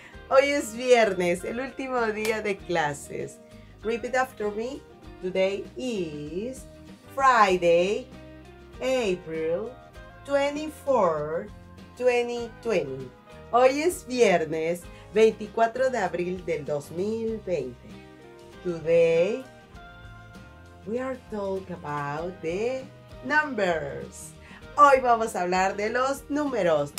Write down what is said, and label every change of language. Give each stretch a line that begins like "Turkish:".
Spanish: Hoy es viernes, el último día de clases.
English: Repeat after me. Today is Friday, April 24, 2020.
Spanish: Hoy es viernes 24 de abril del 2020.
English: Today, we are talking about the numbers.
Spanish: Hoy vamos a hablar de los números.